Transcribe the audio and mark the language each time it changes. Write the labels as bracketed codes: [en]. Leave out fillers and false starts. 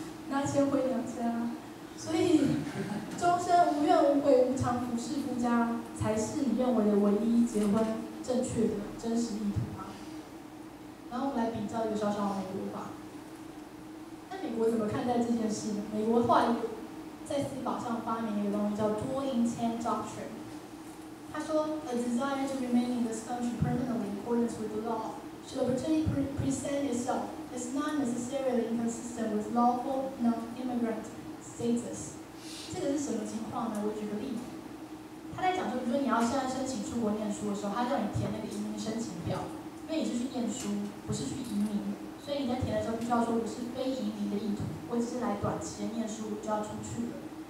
[zh] 拿钱回娘家，所以终身无怨无悔无偿服侍夫家，才是你认为的唯一结婚正确的真实意图吗？然后我们来比较一个小小的美国法。那美国怎么看待这件事呢？美国后来在司法上发明一个东西叫 Dual Intent Doctrine。他说 [en] ，A desire to remain in this country permanently in accordance with the law should opportunity present itself. It's not necessarily inconsistent with lawful non-immigrant status. [zh] 这个是什么情况呢？我举个例子，他在讲说，比如说你要现在申请出国念书的时候，他叫你填那个移民申请表，因为你是去念书，不是去移民，所以你在填的时候必须要说我是非移民的意图，或者是来短期的念书就要出去了。